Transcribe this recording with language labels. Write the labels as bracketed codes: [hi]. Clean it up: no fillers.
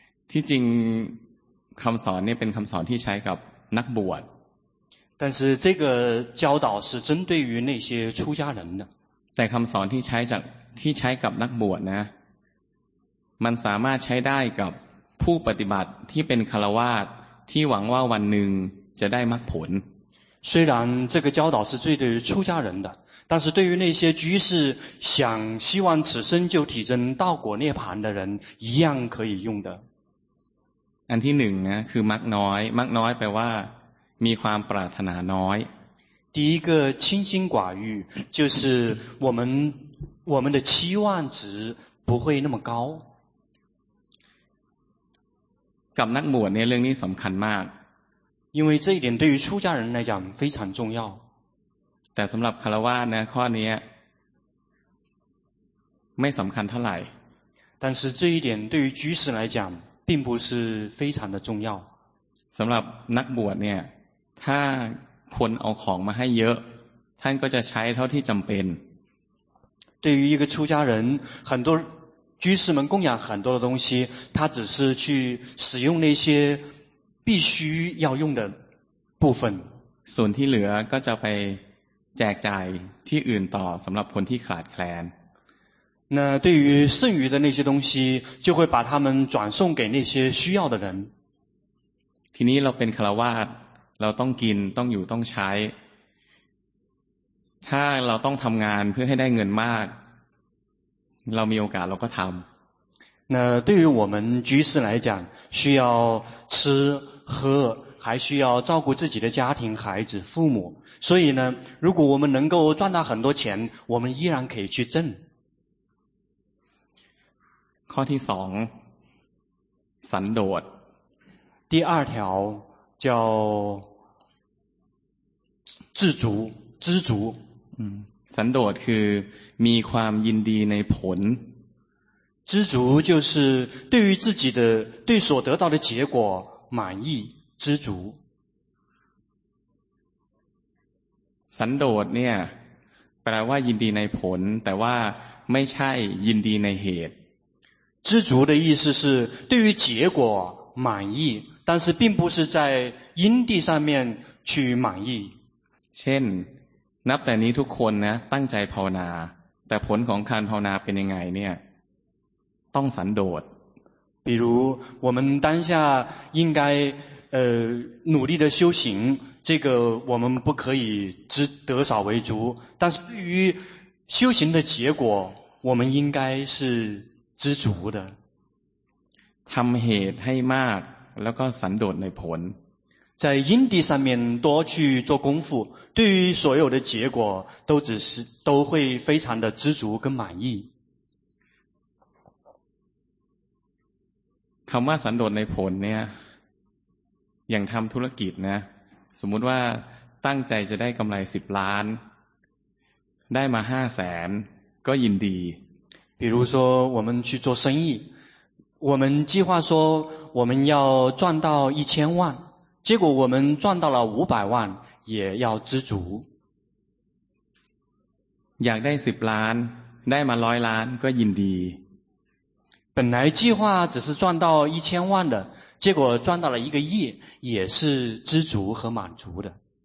[th] ที่จริงคำสอนนี่เป็นคำสอนที่ใช้กับนักบวช [zh] 但是这个教导是针对于那些出家人的 [th] แต่คำสอนที่ใช้จากที่ใช้กับนักบวชนะมันสามารถใช้ได้กับผู้ปฏิบัติที่เป็นฆราวาสที่หวังว่าวันหนึ่งจะได้มรรคผล [zh] 虽然这个教导是对于出家人的但是对于那些居士想希望此生就体证道果涅槃的人一样可以用的 [th] อันที่หนึ่งนะคือมรรคน้อยมรรคน้อยแปลว่ามีความปรารถนาน้อย [zh] 第一个清心寡欲就是我们的期望值不会那么高 [th] กับนักบวชเนี่ยเรื่องนี้สำคัญมาก [zh] 因为这一点对于出家人来讲非常重要 [th] แต่สำหรับฆราวาสนะข้อนี้ไม่สำคัญเท่าไหร่ [zh] 但是这一点对于居士来讲并不是非常的重要 [th] สำหรับนักบวชเนี่ยถ้าคนเอาของมาให้เยอะท่านก็จะใช้เท่าที่จำเป็น [zh] 对于一个出家人很多居士们供养很多的东西他只是去使用那些必须要用的部分 [th] ส่วนที่เหลือก็จะไปแจกจ่ายที่อื่นต่อสำหรับคนที่ขาดแคลน [zh] 那对于剩余的那些东西就会把他们转送给那些需要的人 [th] ทีนี้เราเป็นฆราวาสเราต้องกินต้องอยู่ต้องใช้ถ้าเราต้องทำงานเพื่อให้ได้เงินมากเรามีโอกาสเราก็ทำ [zh] 那对于我们居士来讲需要吃喝还需要照顾自己的家庭孩子父母所以呢如果我们能够赚到很多钱我们依然可以去挣 [th] ข้อที่สองสันโดษ [zh] 第二条叫自足知足 [th] สันโดษคือมีความยินดีในผล [zh] 知足就是对于自己的对所得到的结果满意知足 [th] สันโดษเนี่ยแปลว่ายินดีในผลแต่ว่าไม่ใช่ยินดีในเหตุ [zh] 知足的意思是对于结果满意但是并不是在因地上面去满意 [th] เช่นนับแต่นี้ทุกคนนะตั้งใจภาวนาแต่ผลของการภาวนาเป็นยังไงเนี่ยต้องสันโดษ [zh] 比如我们当下应该努力的修行这个我们不可以只得少为足但是对于修行的结果我们应该是知足的 [th] ทำเหตุให้มากแล้วก็สันโดษในผล [zh] 在因地上面多去做功夫对于所有的结果都会非常的知足跟满意 [th] คำว่าสันโดษในผลเนี่ยอย่างทำธุรกิจนะสมมุติว่าตั้งใจจะได้กำไร10ล้านได้มา5แสนก็ยินดี [zh] 比如说我们去做生意我们计划说我们要赚到1000万结果我们赚到了500万也要知足 [th] อยากได้10ล้านได้มา100ล้านก็ยินดี [zh] 本来计划只是赚到1000万的结果赚到了1亿也是知足和满足的